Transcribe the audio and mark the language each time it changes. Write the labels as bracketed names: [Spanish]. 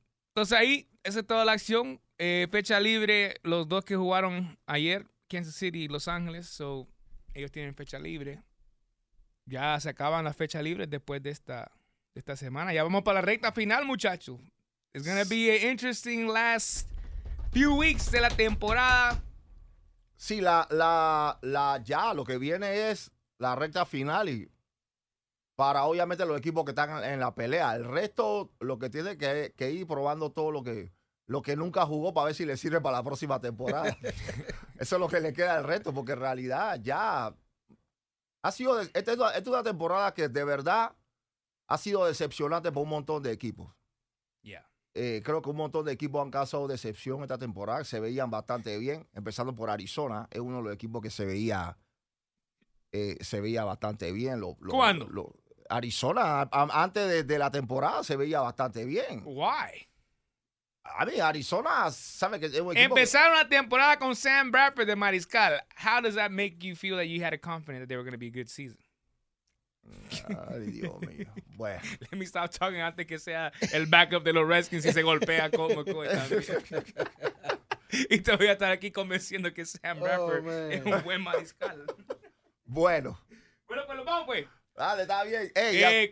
[Spanish] Entonces ahí, esa es toda la acción. Fecha libre, los dos que jugaron ayer, Kansas City y Los Ángeles. So, ellos tienen fecha libre. Ya se acaban las fechas libres después de esta semana. Ya vamos para la recta final, muchachos. [English] It's going to be an interesting last few weeks [Spanish] de la temporada. Sí, la ya lo que viene es la recta final y para obviamente los equipos que están en la pelea. El resto lo que tiene que ir probando todo lo que nunca jugó para ver si le sirve para la próxima temporada. Eso es lo que le queda al resto, porque en realidad ya ha sido... Esta es una temporada que de verdad ha sido decepcionante por un montón de equipos. Yeah. Creo que un montón de equipos han causado decepción esta temporada. Se veían bastante bien, empezando por Arizona. Es uno de los equipos que se veía bastante bien. ¿Cuándo? Arizona, antes de la temporada, se veía bastante bien. [English] Why? [Spanish] A mí, Arizona, sabe que es un equipo... Empezaron la temporada con Sam Bradford de Mariscal. [English] How does that make you feel that you had a confidence that they were going to be a good season? [Spanish] Ay, Dios mío. Bueno. [English] Let me stop talking [Spanish] antes que sea el backup de los Redskins y se golpea con McCoy también. Y te voy a estar aquí convenciendo que Sam Bradford es un buen mariscal. Bueno. Bueno, pues lo vamos, güey. Dale, está bien. Hey,